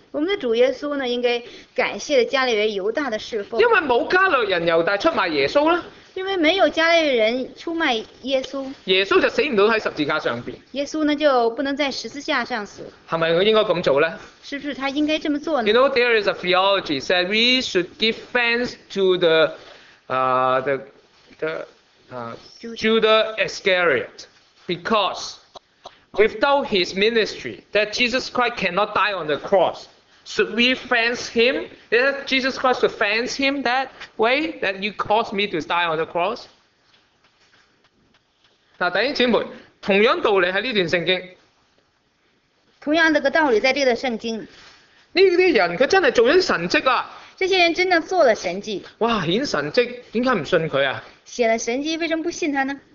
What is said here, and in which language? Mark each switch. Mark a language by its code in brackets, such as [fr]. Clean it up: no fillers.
[zh] 我们的主耶稣呢应该感谢加勒人犹大的侍奉。因为没有加勒人犹大出卖耶稣呢。因为没有加勒人出卖耶稣。耶稣就死不到在十字架上面。耶稣呢就不能在十字架上死。是不是应该这么做呢？是不是他应该这么做呢？ [en] You know, there is a theology said we should give thanks to Judas Iscariot because without his ministry, that Jesus Christ cannot die on the cross. Should we thank him? Is Jesus Christ to thank him that way? That you caused me to die on the cross? [zh] 弟兄姊妹，同样道理在这段圣经。同样的个道理在这段圣经。这些人他真的做了神迹啊。这些人真的做了神迹。哇，显神迹，为什么不信他啊？显了神迹，为什么不信他呢？